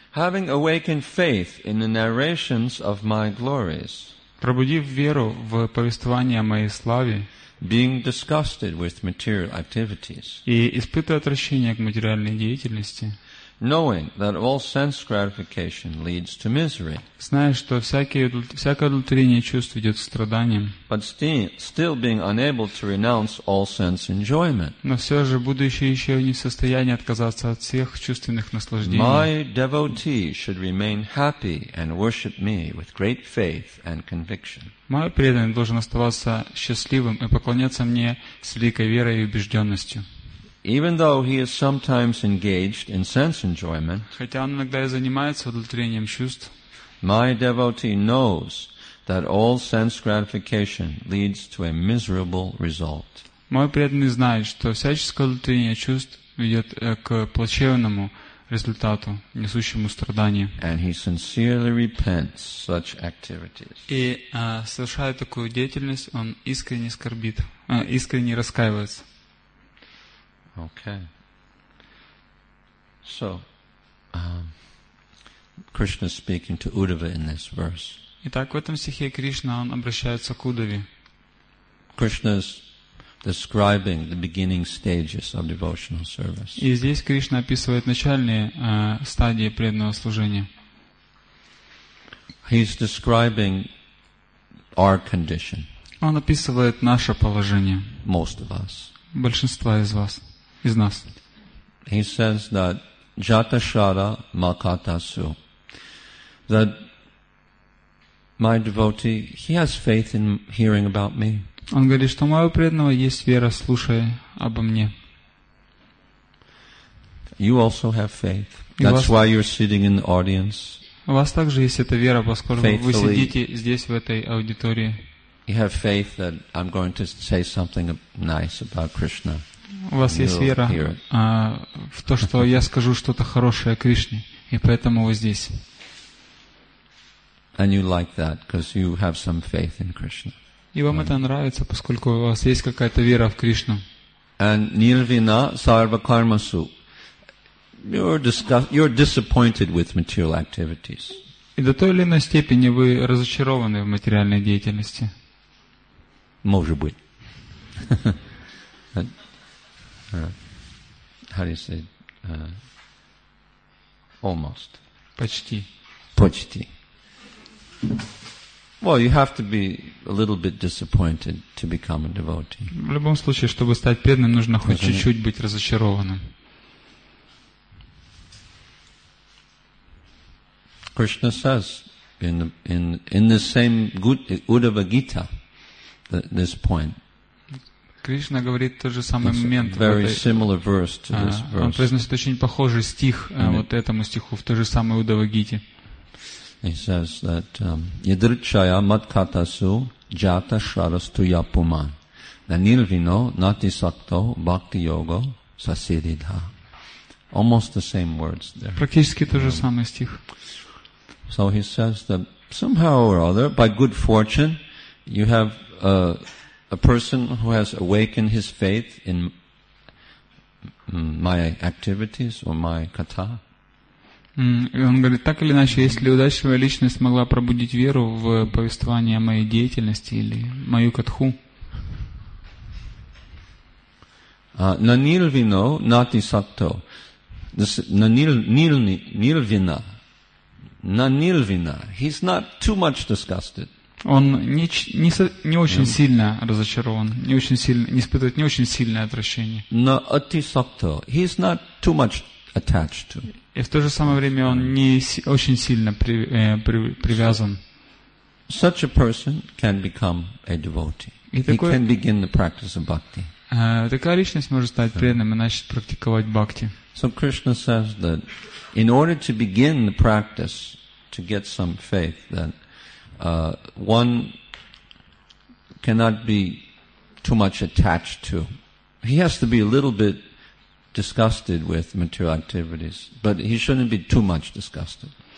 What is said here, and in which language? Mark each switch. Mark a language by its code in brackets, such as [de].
[en] Having awakened faith in the narrations of my glories, [ru] пробудив веру в повествование о моей славе, [en] being disgusted with material activities, [ru] и испытывая отвращение к материальной деятельности, [en] knowing that all sense gratification leads to misery, [ru] зная, что всякое удовлетворение чувств ведет к страданиям, [en] but still being unable to renounce all sense enjoyment, [ru] но все же будучи еще не в состоянии отказаться от всех чувственных наслаждений, [en] my devotee should remain happy and worship me with great faith and conviction. [ru] Мой преданный должен оставаться счастливым и поклоняться мне с великой верой и убежденностью. [en] Even though he is sometimes engaged in sense enjoyment, [ru] хотя он иногда и занимается удовлетворением чувств, [en] my devotee knows that all sense gratification leads to a miserable result. [ru] Мой преданный знает, что всяческое удовлетворение чувств ведет к плачевному результату, несущему страдания. [en] And he sincerely repents such activities. [ru] И совершая такую деятельность, он искренне скорбит, искренне раскаивается. [en] Okay. So, Krishna is speaking to Uddhava in this verse. [ru] Итак, в этом стихе Кришна он обращается к Удаве. [en] Krishna is describing the beginning stages of devotional service. [ru] И здесь Кришна описывает начальные стадии преданного служения. [en] He's describing our condition. [ru] Он описывает наше положение. [en] Most of us. [ru] Большинство из вас, из нас. [en] He says that [sa] jatashara makatasu. [en] That my devotee, he has faith in hearing about me. [ru] Он говорит, что у моего преданного есть вера, слушая обо мне. [en] You also have faith. That's why you're sitting in the audience. [ru] У вас также есть эта вера, поскольку вы сидите здесь, в этой аудитории. [en] You have faith that I'm going to say something nice about Krishna. [ru] У вас есть вера в то, что я скажу что-то хорошее о Кришне, и поэтому вы здесь. [en] And you like that because you have some faith in Krishna. [ru] И вам это нравится, поскольку у вас есть какая-то вера в Кришну. [en] And [sa] nirvina sarva karmasu. [en] You're disappointed with material activities. [ru] И до той или иной степени вы разочарованы в материальной деятельности. Может быть. [en] How do you say? Almost. [ru] Почти. Почти. [en] Well, you have to be a little bit disappointed to become a devotee. [ru] В любом случае, чтобы стать преданным, нужно хоть чуть-чуть быть разочарованным. [en] Krishna says in the same Uddhava Gita this point. [ru] Кришна говорит тот же самый момент. [en] Very similar verse to this verse. [ru] Он произносит очень похожий стих вот этому стиху в той же самой Уддхава Гите. [en] He says that [sa] yadrichaya matkatasu jata sharastu yapuman nanilvino natisakto bhakti yoga sasiridha. [en] Almost the same words there. [ru] Практически тот же самый стих. [en] So he says that somehow or other, by good fortune, you have a person who has awakened his faith in my activities or my katha. [ru] Он говорит, так или иначе, если удачливая личность могла пробудить веру в повествование о моей деятельности или мою катху. [sa] Нанилвино нати сакто. Нанилвина. Нанилвина. [en] He's not too much disgusted. [ru] Он не очень сильно разочарован, не очень сильно, не испытывает не очень сильное отвращение. [sa] Нати сакто. [en] He's not too much attached to. [ru] И в то же самое время он не очень сильно привязан. [en] Such a person can become a devotee. He can begin the practice of bhakti. [ru] Такая личность может стать преданным и начать практиковать бхакти. [en] So Krishna says that in order to begin the practice to get some faith, that one cannot be too much attached to. He has to be a little bit disgusted with material activities, but he shouldn't be too much disgusted.